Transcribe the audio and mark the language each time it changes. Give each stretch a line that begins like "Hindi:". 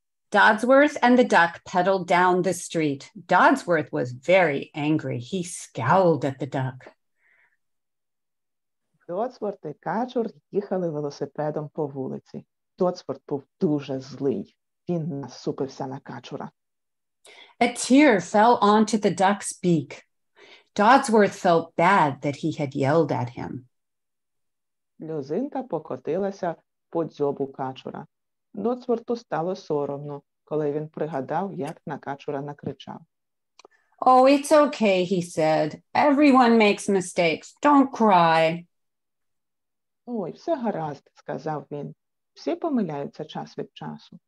English: Dodsworth and the duck pedaled down the street. Dodsworth was very angry. He scowled at the duck.
Ukrainian: Dodsworth і Качур їхали велосипедом по вулиці. Dodsworth був дуже злий. Він насупився на Качура.
English: A tear fell onto the duck's beak. Dodsworth felt bad that he had yelled at him.
Ukrainian: Льозинка покотилася по дзьобу Качура. Dodsworthу стало соромно, коли він пригадав, як на Качура накричав.
English: Oh, it's okay, he said. Everyone makes mistakes. Don't cry.
Ukrainian: Ой, все гаразд, сказав він. Всі помиляються час від часу.